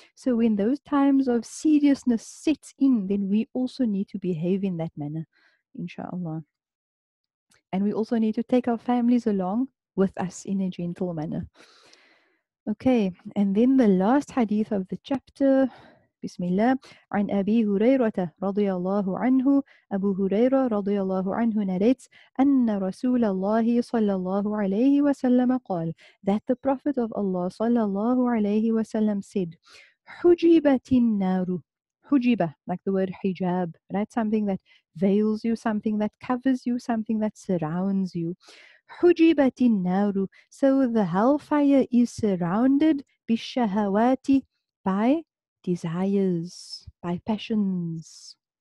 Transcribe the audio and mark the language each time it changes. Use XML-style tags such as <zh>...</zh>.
<en>So when those times of seriousness sets in, then we also need to behave in that manner, inshallah. And we also need to take our families along with us in a gentle manner. Okay, and then the last hadith of the chapter, Bismillah,</en> <ar>عن أبي هريرة رضي الله عنه. أبو هريرة رضي الله عنه</ar> <en>narrates</en> <ar>أن رسول الله صلى الله عليه وسلم قال,</ar> <en>that the Prophet of Allah</en> <ar>صلى الله عليه وسلم</ar> <en>said,</en> <ar>حجبت النار. حجبة,</ar> <en>like the word hijab, right? Something that veils you, something that covers you, something that surrounds you.</en> <ar>حجبت النار.</ar> <en>So the hellfire is surrounded</en> <ar>بالشهوات,</ar> <en>by desires, by passions.</en>